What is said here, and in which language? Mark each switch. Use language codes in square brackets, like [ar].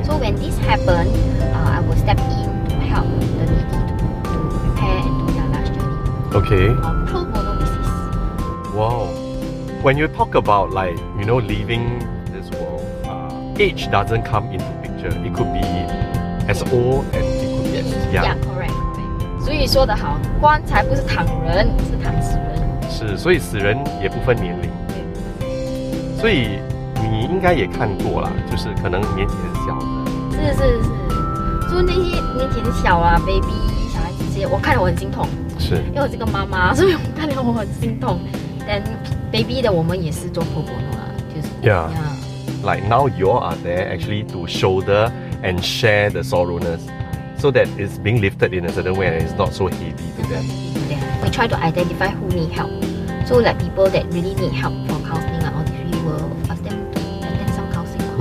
[en] So when this happened, I will step in to help the needy to prepare and do their luxury. Okay. Pro bono basis. Wow. When you talk about like, you know, leaving this world, age doesn't come into picture. It could be as old and it could be as young. Yeah, correct. [zh] 所以说得好, 棺材不是躺人, 是躺死人。是,所以死人也不分年龄。所以你应该也看过啦, 就是可能年纪很小的。是,所以那些年纪很小啦, baby, 小孩子这些, 我看了我很心痛。是。因为我是个妈妈, 所以我看了我很心痛。 [en] Then [zh] baby 的我们也是做 pro bono 啦，就是 [en] yeah. yeah, like now you all are there actually to shoulder and share the sorrowness, so that it's being lifted in a certain way and it's not so heavy to them. Yeah, we try to identify who need help. So like people that really need help for counseling and all this, we will ask them to attend some counseling courses.